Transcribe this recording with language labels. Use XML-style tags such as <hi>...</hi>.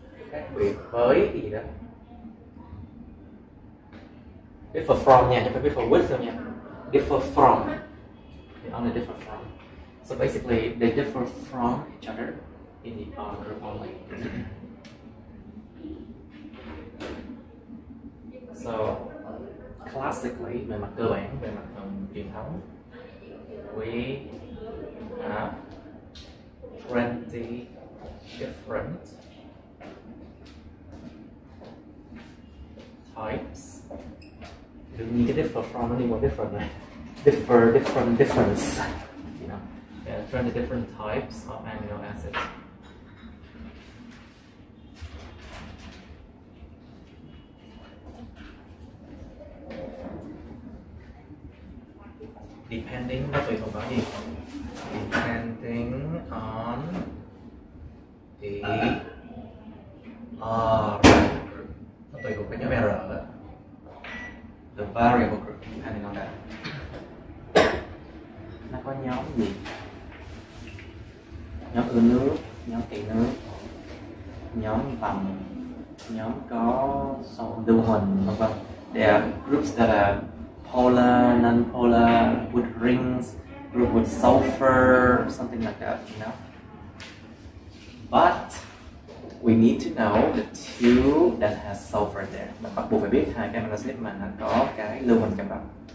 <vi>Khác biệt với gì đó. Differ from nha, chứ phải differ with nha.</vi> <en>Differ from. They only differ from. So basically, they differ from each other in the R group only. So classically,</en> <vi>về mặt cơ bản, về mặt truyền thống,</vi> <en>we have 20 different types.</en> <vi>Đừng nghĩ cái differ from nó đi một different này.</vi> <en>Differ, different, difference. You know, yeah, 20 different types of amino acids. Depending,</en> <vi>nó tùy thuộc vào gì?</vi> <en>Depending on the R.</en> <vi>Nó tùy thuộc vào nhóm R.</vi> <en>The variable group, depending on that.</en> <vi>Nó có nhóm gì? Nhóm ưa nước, nhóm kỵ nước, nhóm bằng, nhóm có sâu lưu huỳnh, vân vân.</vi> <en>There are groups that are polar, non-polar, with rings, group with sulfur, something like that, you know. But we need to know the two that has sulfur there.</en> <vi>Bắt buộc phải biết hai cái amino acid mà nó có cái lưu huỳnh cầm bằng.</vi>